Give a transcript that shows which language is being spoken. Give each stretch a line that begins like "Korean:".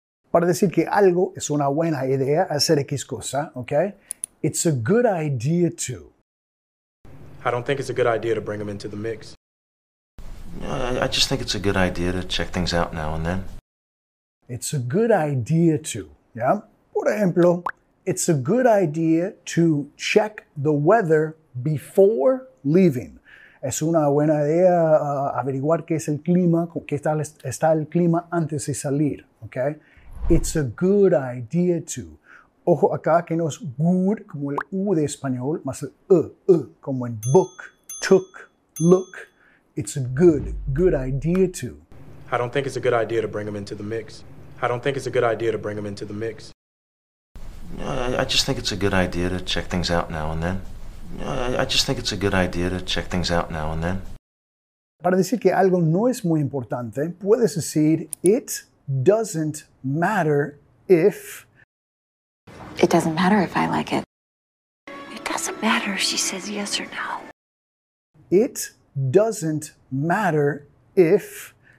Spanish: Para decir que algo es una buena idea, hacer X cosa, okay?
English: It's a good idea to. I don't think it's a good idea to bring them into the mix. I just think it's a good idea to check things out now and then. It's a good idea to, yeah?
Spanish: Por ejemplo,
English: it's a good idea to check the weather before leaving.
Spanish: Es una buena idea averiguar qué es el clima, qué tal está el clima antes de salir, okay?
English: It's a good idea to.
Spanish: Ojo acá que no es good como el U de español, más el como en book, took, look.
English: It's a good idea to. I don't think it's a good idea to bring them into the mix. I don't think it's a good idea to bring them into the mix. I just think it's a good idea to check things out now and then. I just think it's a good idea to check things out now and then.
Spanish: Para decir que algo no es muy importante, puedes decir,
English: it doesn't matter if... It doesn't matter if I like it. It doesn't matter if she says yes or no. It doesn't matter if...